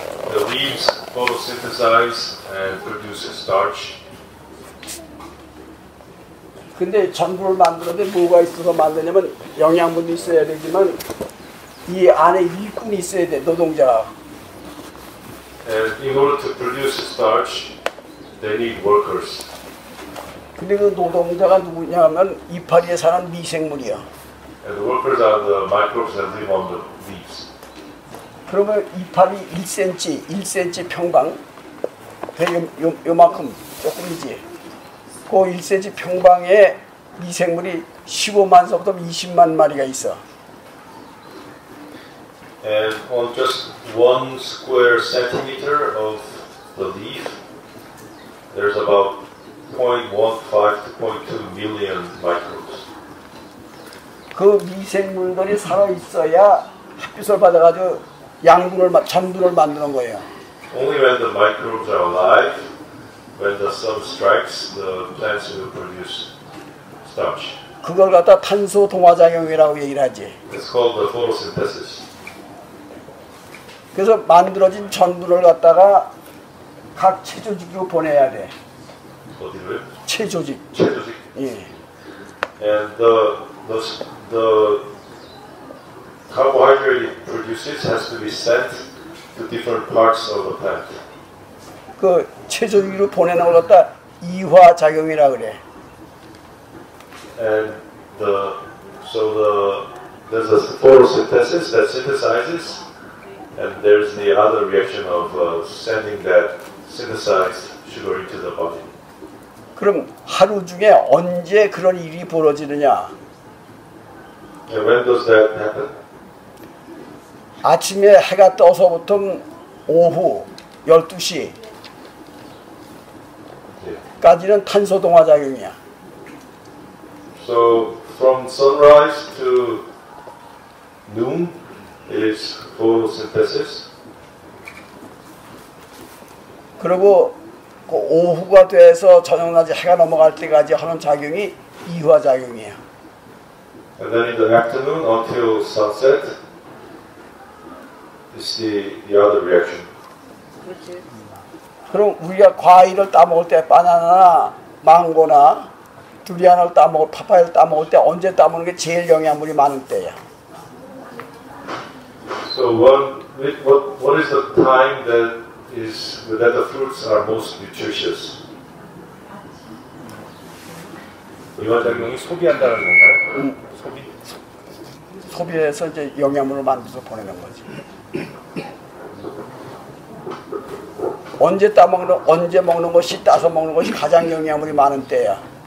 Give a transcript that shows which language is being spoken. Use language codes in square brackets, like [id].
[en] The leaves photosynthesize and produce starch. [ko] 근데 전분을 만드는데 뭐가 있어서 만드냐면 영양분도 있어야 되지만 이 안에 일꾼이 있어야 돼, 노동자. [en] And in order to produce starch, they need workers. [ko] 근데 그 노동자가 누구냐 하면 이파리에 사는 미생물이야. [en] And the workers are the microbes that live on the leaves. [ko] 그러면 이파리 1cm 평방 요만큼 조금이지. 그 1cm 평방에 미생물이 15만서부터 20만 마리가 있어. [en] And on just one square centimeter of the leaf, there's about 0.15 to 0.2 million microbes. [ko] 그 미생물들이 살아 있어야 햇빛을 받아가지고 양분을 전분을 만드는 거예요. [en] Only when the microbes are alive, when the sun strikes, the plants will produce starch. [ko] 그걸 갖다 탄소 동화작용이라고 얘기를 하지. [en] It's called the photosynthesis. [ko] 그래서 만들어진 전분을 갖다가 각 체조직으로 보내야 돼. 어디로요? 체조직. 체조직. 예. [en] And the carbohydrate it produces has to be sent to different parts of the plant. [ko] 그 체조직으로 보내는 걸 갖다 이화 작용이라 그래. [en] And there's a photosynthesis that synthesizes. And there's the other reaction of sending that synthesized sugar into the body. [ko] 그럼 하루 중에 언제 그런 일이 벌어지느냐? [en] And when does that happen? [ko] 아침에 해가 떠서부터 오후 12시까지는 탄소 동화작용이야. [en] So from sunrise to noon, it's photosynthesis. [ko] 그리고 그 오후가 돼서 저녁까지 해가 넘어갈 때까지 하는 작용이 이화 작용이에요. [en] And then in the afternoon until sunset, it's the other reaction. [ko] 그렇지. 그럼 우리가 과일을 따 먹을 때 바나나나 망고나 두리안을 따 먹을 파파야를 따 먹을 때 언제 따 먹는 게 제일 영양분이 많을 때야. [en] So what is the time that is that the fruits are most nutritious? [ko] 이화 작용이 소비한다는 건가요? 소비 소비해서 이제 영양분을 만들어서 보내는 거지. 언제 따먹는 언제 먹는 것이 따서 먹는 것이 가장 영양분이 많은 때야.